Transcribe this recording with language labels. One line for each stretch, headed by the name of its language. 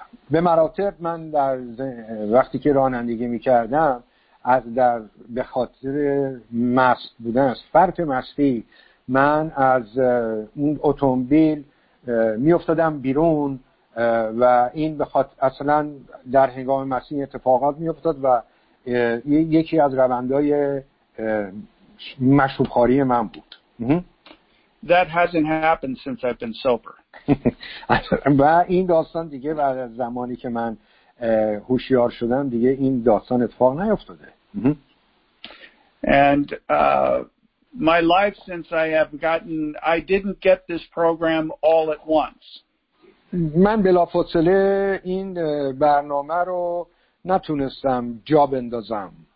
Persian: به مراتب من در وقتی که رانندگی می‌کردم از در به خاطر مست بودن از فرط مستی من از اون اتومبیل می‌افتادم بیرون و این به خاطر اصلا در هنگام مستی اتفاقات می‌افتاد و یکی از روندهای مشروب‌خواری من بود.
English: That hasn't happened since I've been sober.
Persian: و این داستان دیگه بعد از زمانی که من هوشیار شدم دیگه این داستان اتفاق نیفتاده.
English: And my life since I have gotten, I didn't get this program all at once.
Persian: من بلافاصله این برنامه رو نتونستم جا بندازم.